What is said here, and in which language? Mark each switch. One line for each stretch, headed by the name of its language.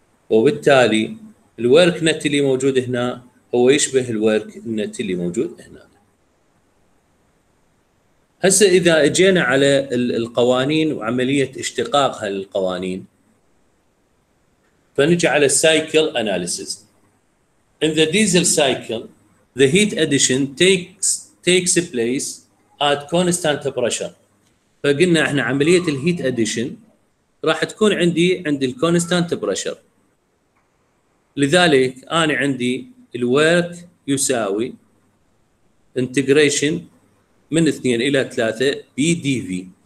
Arabic: وبالتالي الورك نت اللي موجود هنا هو يشبه الورك نت اللي موجود هنا. هسه اذا اجينا على القوانين وعمليه اشتقاق هالقوانين فنجي على السايكل اناليسيس.
English: In the diesel cycle the heat addition takes place at constant pressure.
Arabic: فقلنا احنا عمليه الهيت اديشن راح تكون عندي عند الكونستانت بريشر، لذلك أنا عندي الورك يساوي integration من 2 إلى 3 BDV.